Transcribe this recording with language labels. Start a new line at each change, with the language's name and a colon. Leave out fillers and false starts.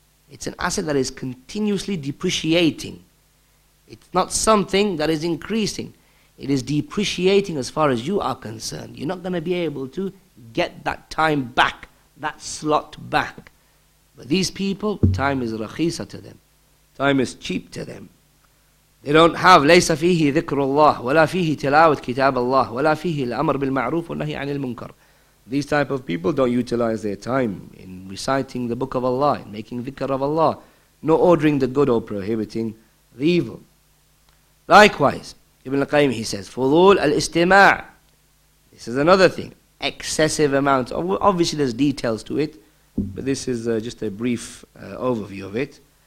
English: It's an asset that is continuously depreciating. It's not something that is increasing. It is depreciating as far as you are concerned. You're not going to be able to get that time back, that slot back. But these people, time is rakhisa to them. Time is cheap to them. They don't have
Arabic: ليس فيه ذكر الله ولا فيه تلاوة كتاب الله ولا فيه الأمر بالمعروف والنهي عن المنكر.
English: These type of people don't utilize their time in reciting the book of Allah, in making dhikr of Allah, nor ordering the good or prohibiting the evil. Likewise, Ibn al-Qayyim, he says,
Arabic: فضول الاستماع.
English: This is another thing. Excessive amount. Obviously there's details to it, but this is just a brief overview of it.